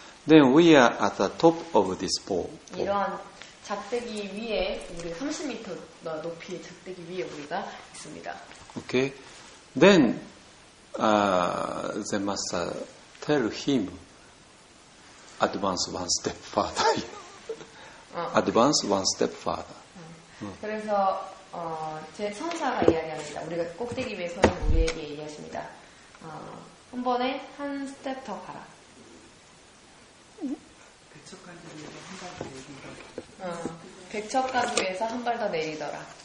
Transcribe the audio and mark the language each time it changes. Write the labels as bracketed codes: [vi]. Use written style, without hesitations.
[en] Then we are at the top of this pole. [ko] 이러한 작대기 위에 우리 30m 높이의 작대기 위에 우리가 있습니다. [en] Okay. Then the master tell him advance one step further. Advance one step further. [ko] 그래서 제 선사가 이야기합니다. 우리가 꼭대기 위에 서는 우리에게 이야기했습니다. 한 번에 한 스텝 더 가라. 백척가지 위에서 한 발 더 내리더라.